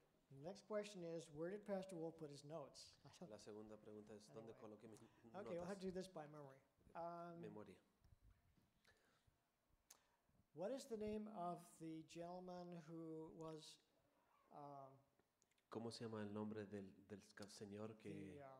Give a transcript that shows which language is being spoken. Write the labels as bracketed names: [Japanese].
[English] The next question is, where did Pastor Wolf put his notes? [Spanish] La segunda pregunta es, ¿dónde coloqué mis notas? [English] Okay, I'll have to do this by memory. [Spanish] Memoria. [English] What is the name of the gentleman who was... [Spanish] ¿Cómo se llama el nombre del señor que...